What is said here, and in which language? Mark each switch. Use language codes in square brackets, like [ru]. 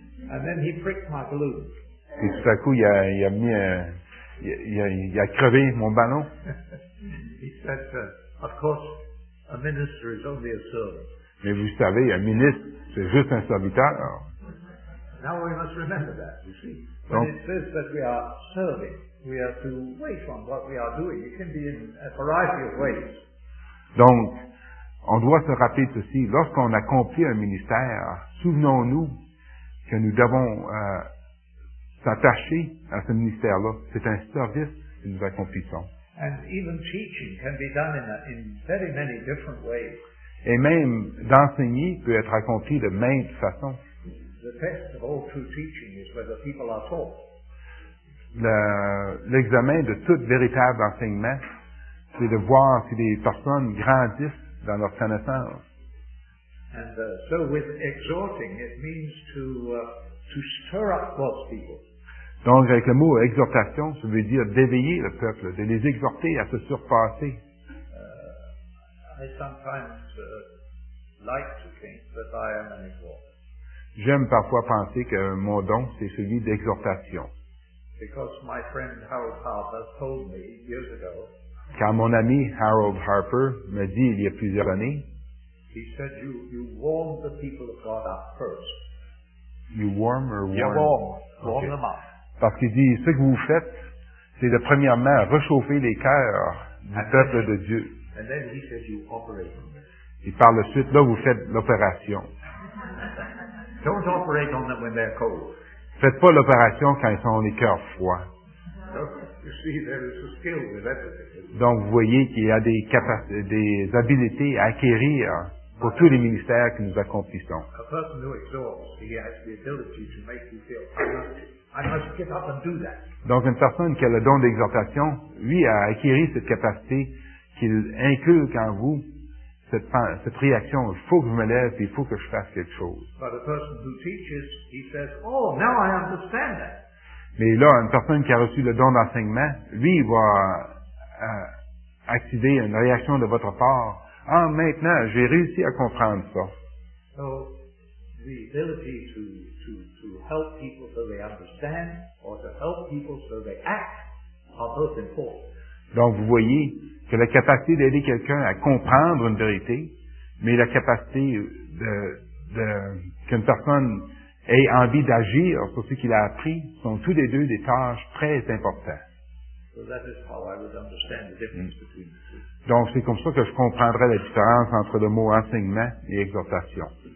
[en] And then he pricked my balloon. [fr] Et tout à coup, il a crevé mon ballon. [en] He said, of course, a minister is only a servant. [fr] Mais vous savez, un ministre, c'est juste un serviteur. [en] Now we must remember that, you see. When it says that we are serving, we are to wait on what we are doing. It can be in a variety of ways. [fr] Donc, on doit se rappeler de ceci. Lorsqu'on accomplit un ministère, souvenons-nous que nous devons s'attacher à ce ministère-là. C'est un service que nous accomplissons. [en] And even teaching can be done in very many different ways. [fr] Et même d'enseigner peut être accompli de maintes façons. [en] The test of all true teaching is whether people are taught. [fr] L'examen de tout véritable enseignement, c'est de voir si les personnes grandissent dans leur connaissance. [en] And so with exhorting, it means to stir up God's people. [fr] Donc avec le mot exhortation, ça veut dire d'éveiller le peuple, de les exhorter à se surpasser. [en] I sometimes like to think that I am an exhorter. [fr] J'aime parfois penser que mon don, c'est celui d'exhortation. [en] Because my friend Harold Harper told me years ago, [fr] quand mon ami Harold Harper me dit il y a plusieurs années, [en] he said, you warm the people of God up first. You warm or warm? You warm. Warm them up. [fr] Parce qu'il dit, ce que vous faites, c'est de premièrement réchauffer les cœurs du peuple de Dieu. [en] And then he said, you operate on them. [fr] Et par la suite, là, vous faites l'opération. [en] Don't operate on them when they're cold. [fr] Faites pas l'opération quand ils ont les cœurs froids. [en] You see, there is a skill with everything. [fr] Donc, vous voyez qu'il y a des habiletés à acquérir pour tous les ministères que nous accomplissons. [en] A person who exhorts, he has the ability to make you feel, I must get up and do that. [fr] Donc, une personne qui a le don d'exhortation, lui, a acquéri cette capacité qu'il inculque en vous cette réaction, il faut que je me lève et il faut que je fasse quelque chose. [en] But a person who teaches, he says, oh, now I understand that. [fr] Mais là, une personne qui a reçu le don d'enseignement, lui, il va activer une réaction de votre part. Ah, maintenant, j'ai réussi à comprendre ça. [en] So, the ability to help people so they understand or to help people so they act are both important. [fr] Donc, vous voyez que la capacité d'aider quelqu'un à comprendre une vérité, mais la capacité de qu'une personne ait envie d'agir sur ce qu'il a appris, sont tous les deux des tâches très importantes. [en] So that is how I would understand the difference between the two. [fr] Donc, c'est comme ça que je comprendrais la différence entre le mot enseignement et exhortation.